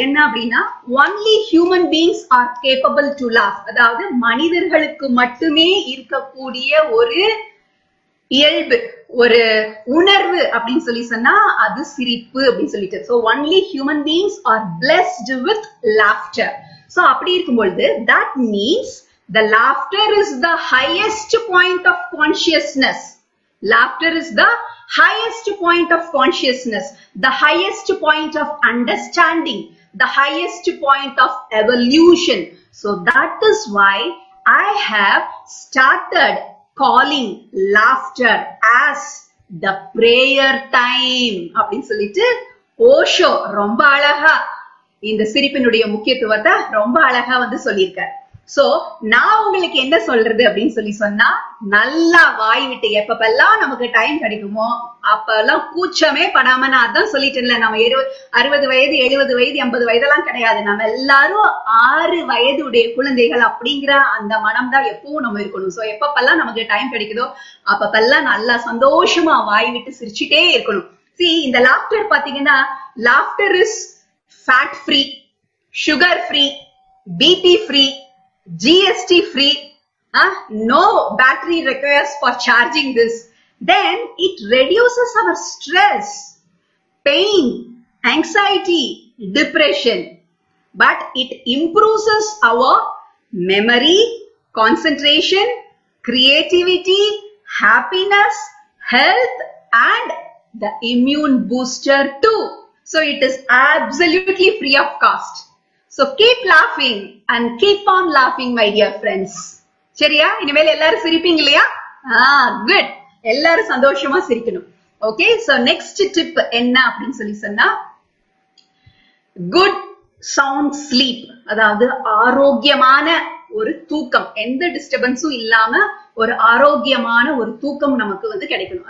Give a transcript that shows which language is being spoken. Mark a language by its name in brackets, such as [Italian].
[Tamil] என்ன அப்படின்னா, [English] only human beings are capable to laugh, [Tamil] அதாவது மனிதர்களுக்கு மட்டுமே இருக்கக்கூடிய ஒரு இயல்பு, ஒரு உணர்வு அப்படின்னு சொல்லி சொன்னா அது சிரிப்பு அப்படின்னு சொல்லிட்டு. [English] So only human beings are blessed with laughter. So [Tamil] அப்படி இருக்கும்பொழுது [English] That means the laughter is the highest point of consciousness. Laughter is the highest point of consciousness, the highest point of understanding, the highest point of evolution. So that is why I have started calling laughter as the prayer time. [Tamil] அப்படி சொல்லிட்டு ஓஷோ ரொம்ப அழகா இந்த சிரிப்பினுடைய முக்கியத்துவத்தை ரொம்ப அழகா வந்து சொல்லியிருக்கார். சோ நான் உங்களுக்கு என்ன சொல்றது அப்படின்னு சொல்லி சொன்னா, நல்லா வாய் விட்டு எப்பப்பெல்லாம் நமக்கு டைம் கிடைக்குமோ அப்பெல்லாம் கூச்சமே படாம, நான் அதான் சொல்லிட்டேன்ல, நம்ம 60 வயது 70 வயது 80 வயது எல்லாம் கிடையாது, நம்ம எல்லாரும் 6 வயதுடைய குழந்தைகள் அப்படிங்கிற அந்த மனம் தான் எப்பவும் நம்ம இருக்கணும். சோ எப்பப்பெல்லாம் நமக்கு டைம் கிடைக்குதோ அப்பப்பெல்லாம் நல்லா சந்தோஷமா வாய் விட்டு சிரிச்சுட்டே இருக்கணும். [English] see [Tamil] இந்த லாஃப்டர் பாத்தீங்கன்னா, [English] Laughter is fat free, sugar free, BP free, GST free, no battery requires for charging this. Then it reduces our stress, pain, anxiety, depression, but it improves our memory, concentration, creativity, happiness, health, and the immune booster too. So it is absolutely free of cost. So keep laughing and keep on laughing, my dear friends. [Tamil] சரியா, இனிமேல் எல்லாரும் சிரிப்பீங்க இல்லையா? Good, எல்லாரும் சந்தோஷமா சிரிக்கணும். Okay, so next tip என்ன அப்படின்னு சொல்லி சொன்னா, [English] good sound sleep, [Tamil] அதாவது ஆரோக்கியமான ஒரு தூக்கம், எந்த டிஸ்டர்பன்ஸும் இல்லாம ஒரு ஆரோக்கியமான ஒரு தூக்கம் நமக்கு வந்து கிடைக்கணும்.